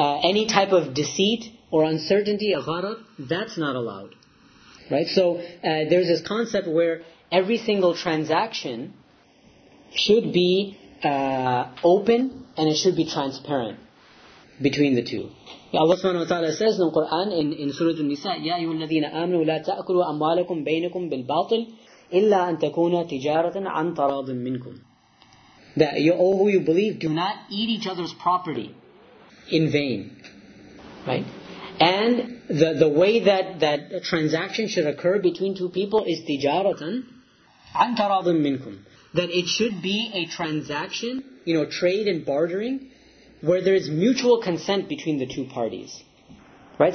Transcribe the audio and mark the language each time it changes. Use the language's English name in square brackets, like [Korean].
[English] Any type of deceit or uncertainty, a gharar, that's not allowed. Right? So there's this concept where every single transaction should be open, and it should be transparent between the two. Allah subhanahu wa ta'ala says in the Quran in Surah An-Nisa, [Arabic] يَا أَيُّهَا الَّذِينَ آمَنُوا لَا تَأْكُلُوا أَمْوَالَكُمْ بَيْنَكُمْ بِالْبَاطِلِ إِلَّا أَن تَكُونَ تِجَارَةً عَن تَرَاضٍ مِّنْكُمْ. [English] That you, oh, who you believe, do not eat each other's property in vain. Right? And the way that a transaction should occur between two people is [Arabic] tijaratan an taradun minkum. [English] That it should be a transaction, you know, trade and bartering, where there is mutual consent between the two parties. Right?